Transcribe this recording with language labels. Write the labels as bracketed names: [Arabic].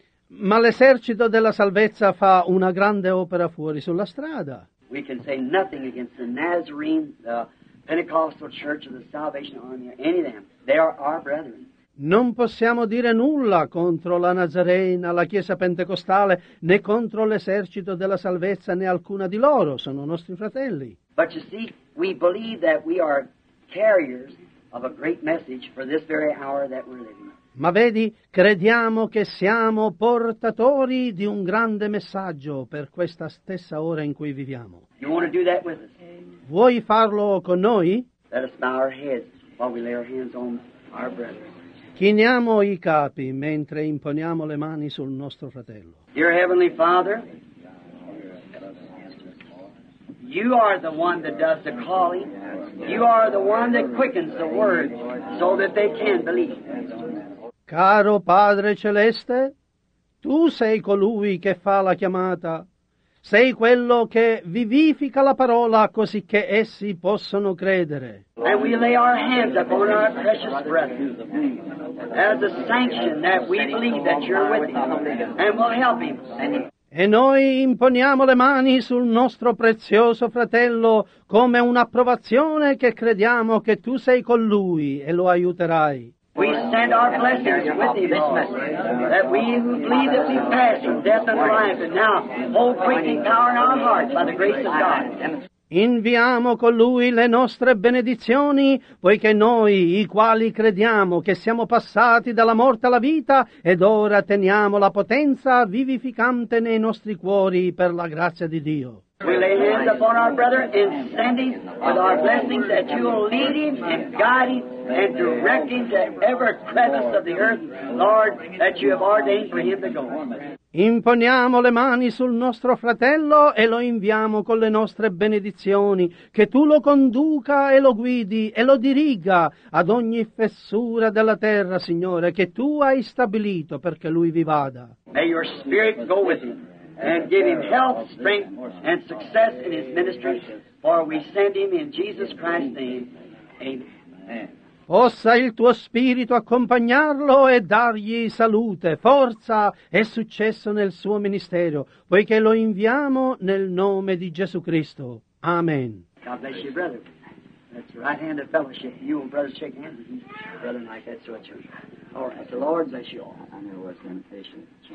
[Italian] Ma l'esercito della salvezza fa una grande opera fuori sulla strada. [English] We can say nothing against the Nazarene, the Pentecostal Church of the Salvation Army, or any of them. They are our brethren. [Italian] Non possiamo dire nulla contro la Nazarena, la Chiesa Pentecostale, né contro l'esercito della salvezza, né alcuna di loro. Sono nostri fratelli. [English] But you see, we believe that we are carriers of a great message for this very hour that we're living. [Italian] Ma vedi, crediamo che siamo portatori di un grande messaggio per questa stessa ora in cui viviamo. [English] You want to do that with us? [Italian] Vuoi farlo con noi? [English] Let us bow our heads while we lay our hands on our brethren. [Italian] Chiniamo i capi mentre imponiamo le mani sul nostro fratello. [English] Dear Heavenly Father, you are the one that does the calling. You are the one that quickens the word so that they can believe. [Italian] Caro Padre Celeste, tu sei colui che fa la chiamata. Sei quello che vivifica la parola così che essi possono credere. [English] And we lay our hands upon our precious brethren as a sanction that we believe that you're with him and will help him. [Italian] E noi imponiamo le mani sul nostro prezioso fratello come un'approvazione che crediamo che tu sei con lui e lo aiuterai. [English] We send our blessings with you this message, that we who believe that we pass from death unto life, and now hold quickening power in our hearts by the grace of God. [Italian] Inviamo con lui le nostre benedizioni, poiché noi, i quali crediamo che siamo passati dalla morte alla vita, ed ora teniamo la potenza vivificante nei nostri cuori per la grazia di Dio. [English] We lay hands upon our brother and send him with our blessings that you will lead him and guide him and direct him to every crevice of the earth, Lord, that you have ordained for him to go. [Italian] Imponiamo le mani sul nostro fratello e lo inviamo con le nostre benedizioni, che tu lo conduca e lo guidi e lo diriga ad ogni fessura della terra, Signore, che tu hai stabilito perché lui vi vada. [English] May your spirit go with him and give him health, strength, and success in his ministry, for we send him in Jesus Christ's name. Amen. [Italian] Possa il tuo spirito accompagnarlo e dargli salute, forza e successo nel suo ministero, poiché lo inviamo nel nome di Gesù Cristo. Amen. [English] God bless you, brother. That's the right hand of fellowship. You and brother shake hands with me. Brother Mike, that's what you're... All right, the Lord bless you all. I know what's the invitation.